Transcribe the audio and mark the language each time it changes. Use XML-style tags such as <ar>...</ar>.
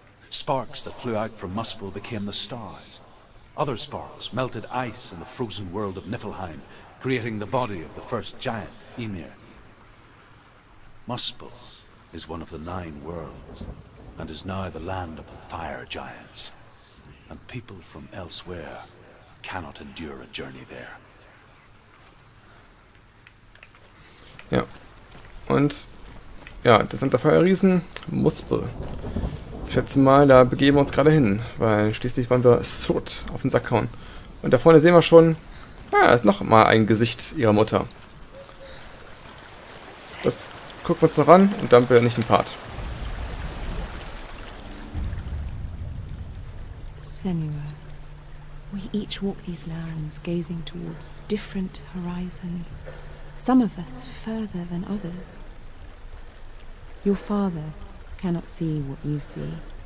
<en>Sparks that flew out from Muspel became the stars. Other sparks melted ice in the frozen world of Niflheim, creating the body of the first giant, Ymir. Muspel is one of the nine worlds, and is now the land of the fire giants. And people from elsewhere cannot endure a journey there.</en> <de>Ja. Und ja, das sind der Feuerriesen Muspel. Ich schätze mal, da begeben wir uns gerade hin, weil schließlich wollen wir Sword auf den Sack hauen. Und da vorne sehen wir schon, ja, ist noch mal ein Gesicht ihrer Mutter. Das gucken wir uns noch an und dann bin ich im Part.</de> <en>Senua, we each walk these lands, gazing towards different horizons. Some of us further than others. Your father cannot see what you see.</en>